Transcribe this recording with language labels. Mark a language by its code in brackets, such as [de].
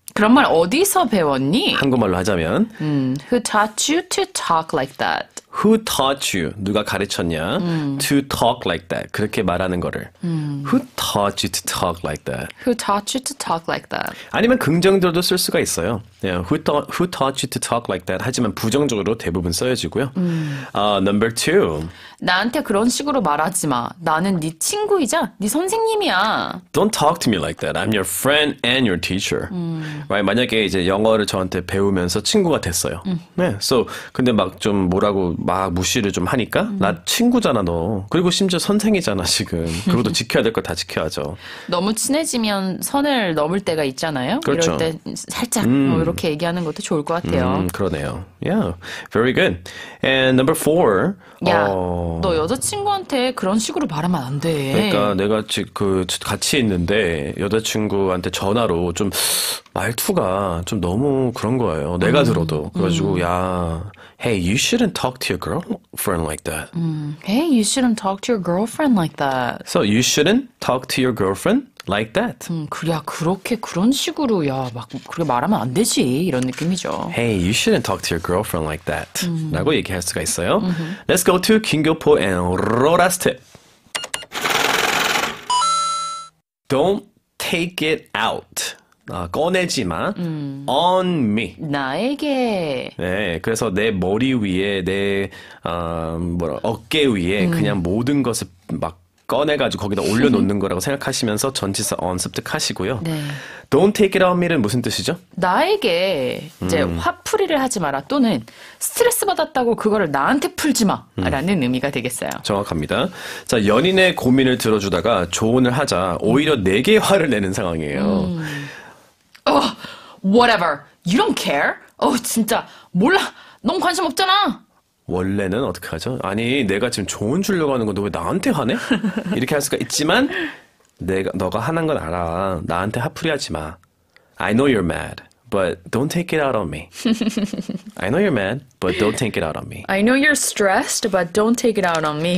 [ko] 그런 말 어디서 배웠니? 한국말로 하자면 [en] Who taught you to talk like that? Who taught you? [ko] 누가 가르쳤냐? [en] To talk like that. [ko] 그렇게 말하는 거를. [en] Who taught you to talk like that? Who taught you to talk like that? [ko] 아니면 긍정적으로도 쓸 수가 있어요. [en] Yeah, who taught you to talk like that? [ko] 하지만 부정적으로 대부분 써여지고요. [en] Number two. [ko] 나한테 그런 식으로 말하지 마. 나는 네 친구이자 네 선생님이야. [en] Don't talk to me like that. I'm your friend and your teacher. Right? [ko] 만약에 이제 영어를 저한테 배우면서 친구가 됐어요. 네. So, 근데 막 좀 뭐라고 막 무시를 좀 하니까 나 친구잖아 너. 그리고 심지어 선생이잖아 지금. 그것도 지켜야 될 거 다 지켜야죠. 너무 친해지면 선을 넘을 때가 있잖아요. 그렇죠. 이럴 때 살짝 뭐 이렇게 얘기하는 것도 좋을 것 같아요. 그러네요. [en] Yeah. Very good. And number four. [ko] 야, 너 여자친구한테 그런 식으로 말하면 안 돼. 그러니까 내가 지금 그 같이 있는데 여자친구한테 전화로 좀 말투가 좀 너무 그런 거예요. 내가 들어도. 그래가지고 야 [en] Hey, you shouldn't talk to your girlfriend like that. Hey, you shouldn't talk to your girlfriend like that. So, you shouldn't talk to your girlfriend like that. [ko] 그렇게 그런 식으로 야, 막 그렇게 말하면 안 되지. 이런 느낌이죠. [en] Hey, you shouldn't talk to your girlfriend like that. [ko] 라고 얘기할 수가 있어요. [en] Let's go to 김교포 and 로라스텝. Don't take it out. [ko] 꺼내지 마. [en] On me. [ko] 나에게. 네, 그래서 내 머리 위에, 내 어깨 위에 그냥 모든 것을 막 꺼내가지고 거기다 올려놓는 거라고 생각하시면서 전치사 on 습득하시고요. 네. [en] Don't take it on me [ko] 는 무슨 뜻이죠? 나에게 이제 화풀이를 하지 마라 또는 스트레스 받았다고 그거를 나한테 풀지 마 라는 의미가 되겠어요. 정확합니다. 자, 연인의 고민을 들어주다가 조언을 하자 오히려 내게 화를 내는 상황이에요. [en] Whatever. You don't care? [ko] 진짜. 몰라. 넌 관심 없잖아. 원래는 어떻게 하죠? 아니, 내가 지금 조언 주려고 하는 건데 왜 나한테 하네? 이렇게 할 수가 있지만, 너가 화난 건 알아. 나한테 화풀이하지 마. [en] I know you're mad, but don't take it out on me. I know you're mad, but don't take it out on me. I know you're stressed, but don't take it out on me.